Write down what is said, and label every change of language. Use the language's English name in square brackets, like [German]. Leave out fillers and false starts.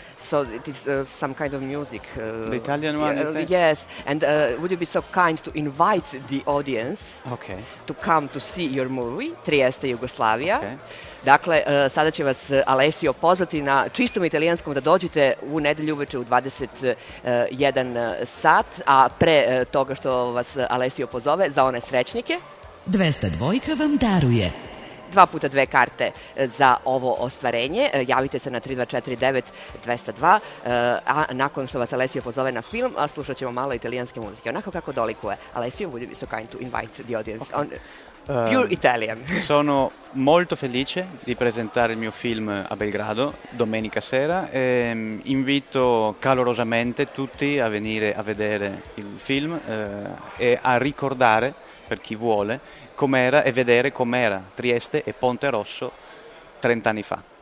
[English] So it is some kind of music. The Italian one? Yes. And would you be so kind to invite the audience okay. to come to see your movie, Trieste, Jugoslavia? Okay. [Serbian] Dakle, sada će vas Alessio pozvati na čistom italijanskom da dođete u nedelju uveče u 21 sat, a pre toga što vas Alessio pozove, za one srećnike. 202 vam daruje. Dva puta dve karte za ovo ostvarenje. Javite se na 3249-202, a nakon što vas Alessio pozove na film, a slušat ćemo malo italijanske muzike. Onako kako dolikuje. [English] Alessio, would you be so kind to invite the audience? Okay. Pure Italian. [Italian] Sono molto felice di presentare il mio film a Belgrado domenica sera. E invito calorosamente tutti a venire a vedere il film e a ricordare, per chi vuole, com'era e vedere com'era Trieste e Ponte Rosso 30 anni fa.